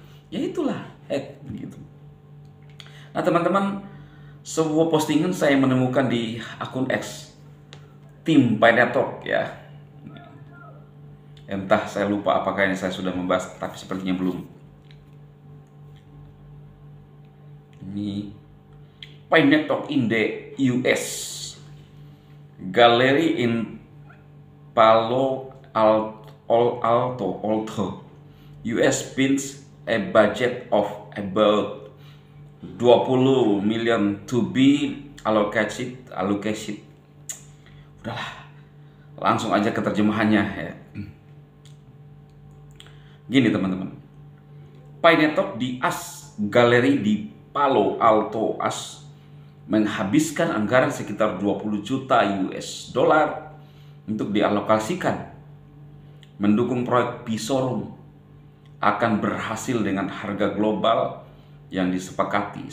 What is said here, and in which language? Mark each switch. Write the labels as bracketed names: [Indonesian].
[Indonesian] Ya itulah gitu. Nah teman-teman, sebuah postingan saya menemukan di akun X Tim Pinetalk ya. Entah saya lupa apakah ini saya sudah membahas, tapi sepertinya belum. Ini [English] Pinetalk in the US Gallery in Palo Alto US spends a budget of about 20 million to be allocated. [Indonesian] Udahlah, langsung aja ke terjemahannya ya. Gini teman-teman, Pinetalk di AS Gallery di Palo Alto AS menghabiskan anggaran sekitar 20 juta US dollar untuk dialokasikan mendukung proyek Pisorum akan berhasil dengan harga global yang disepakati.